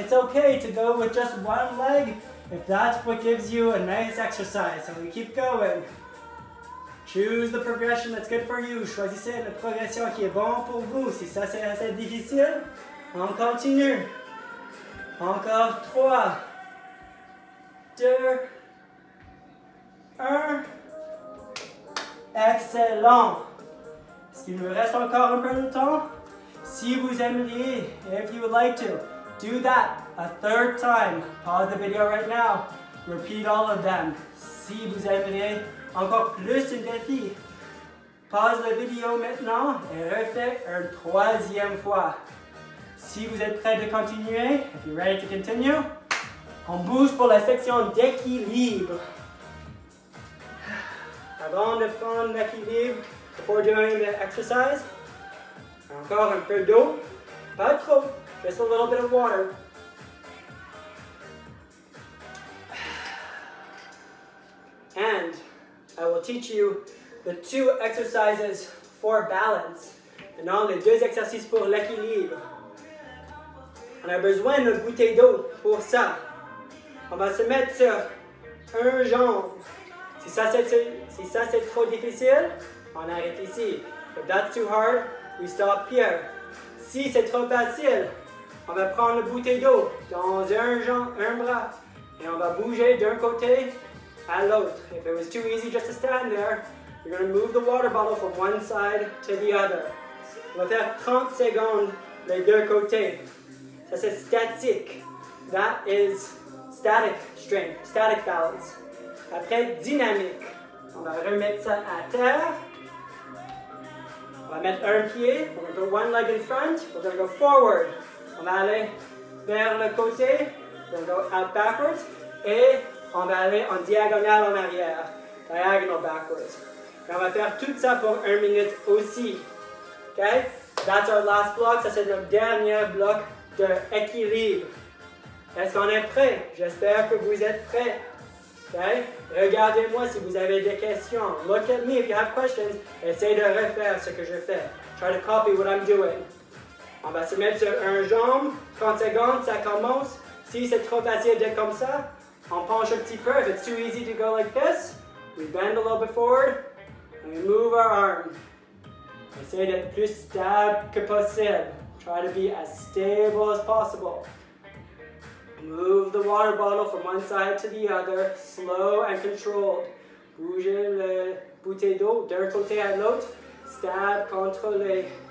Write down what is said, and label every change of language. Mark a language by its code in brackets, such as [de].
[en] It's okay to go with just one leg if that's what gives you a nice exercise. So we keep going. Choose the progression that's good for you. [fr] Choisissez la progression qui est bon pour vous. Si ça c'est assez difficile, on continue. Encore 3, 2, 1. Excellent. Est-ce qu'il nous reste encore un peu de temps? Si vous aimeriez, [en] if you would like to, do that a third time. Pause the video right now. Repeat all of them. [fr] Si vous aimeriez encore plus de défis, pause la vidéo maintenant et refais une troisième fois. Si vous êtes prêt de continuer, [en] if you're ready to continue, [fr] on bouge pour la section d'équilibre. Avant de prendre l'équilibre, [en] before doing the exercise, [fr] encore un peu d'eau, pas trop, [en] just a little bit of water. And I will teach you the two exercises for balance. [fr] Et non, les deux exercices pour l'équilibre. On a besoin d'une bouteille d'eau pour ça. On va se mettre sur un jambe. Si ça c'est trop difficile, on arrête ici. [en] If that's too hard, we stop here. [fr] Si c'est trop facile, on va prendre une bouteille d'eau dans un bras et on va bouger d'un côté à l'autre. [en] If it was too easy just to stand there, we're going to move the water bottle from one side to the other. [fr] On va faire 30 secondes les deux côtés. Ça c'est statique. [en] That is static strength, static balance. [fr] Après dynamique, on va remettre ça à terre. On va mettre un pied, on va mettre [en] one leg in front, we're going to go forward. [fr] On va aller vers le côté, [en] we're going to go out backwards, [fr] et on va aller en diagonale en arrière, [en] diagonal backwards. [fr] Et on va faire tout ça pour 1 minute aussi. [en] Okay? That's our last block, [fr] ça c'est notre dernier bloc d'équilibre. Est-ce qu'on est prêt? J'espère que vous êtes prêts. Okay? Regardez-moi si vous avez des questions. [en] Look at me if you have questions. [fr] Essayez de refaire ce que je fais. [en] Try to copy what I'm doing. [fr] On va se mettre sur un jambe. 30 secondes, ça commence. Si c'est trop facile d'être comme ça, on penche un petit peu. [en] If it's too easy to go like this, we bend a little bit forward and we move our arm. [fr] Essayez d'être plus stable que possible. [en] Try to be as stable as possible. Move the water bottle from one side to the other, slow and controlled. [fr] Bougez la bouteille d'eau d'un côté à l'autre, stable, contrôlé.